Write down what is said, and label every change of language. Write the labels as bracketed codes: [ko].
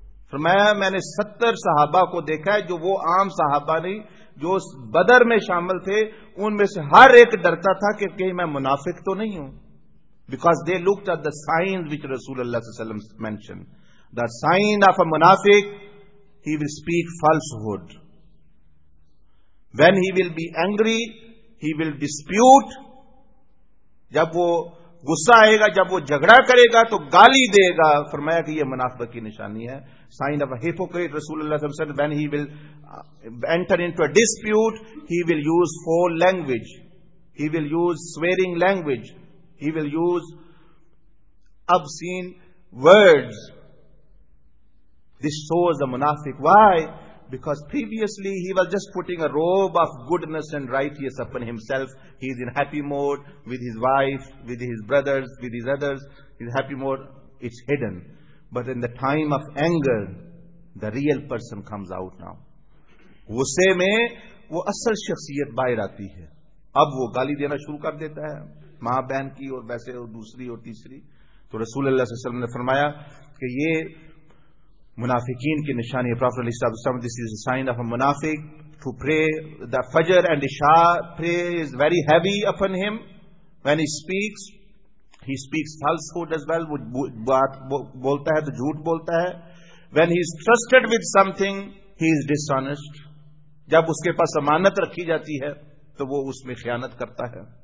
[ur] فرمایا میں نے 70 صحابہ کو دیکھا ہے جو وہ عام صحابہ نہیں جو بدر میں شامل تھے, ان میں سے ہر ایک ڈرتا تھا کہ کہیں میں منافق تو نہیں ہوں. [en] Because they looked at the signs which Rasulullah صلی اللہ علیہ وسلم mentioned. The sign of a munafiq, he will speak falsehood. When he will be angry, he will dispute. [ur] جب وہ غصہ آئے گا, جب وہ جھگڑا کرے گا تو گالی دے گا. فرمایا کہ یہ منافق کی نشانی ہے. [en] Sign of a hypocrite, Rasulullah صلی اللہ علیہ وسلم said, when he will enter into a dispute, he will use foul language. He will use swearing language. He will use obscene words. This shows the munafiq. Why? Because previously he was just putting a robe of goodness and righteousness upon himself. He is in happy mode with his wife, with his brothers, with his others. His happy mode is hidden. But in the time of anger, the real person comes out now. [ur] غصے میں وہ اصل شخصیت باہر آتی ہے. اب وہ گالی دینا شروع کر دیتا ہے ماں بہن کی اور ویسے اور دوسری اور تیسری. تو رسول اللہ صلی اللہ علیہ وسلم نے فرمایا کہ یہ منافقین کی نشانی ہے. [en] Prophet علیہ السلام, this is a sign of a منافق to pray the فجر and عشاء prayer is very heavy upon him. When he speaks falsehood as well. [ur] وہ بات بولتا ہے تو جھوٹ بولتا ہے. [en] When he is trusted with something, he is dishonest. [ur] جب اس کے پاس امانت رکھی جاتی ہے تو وہ اس میں خیانت کرتا ہے.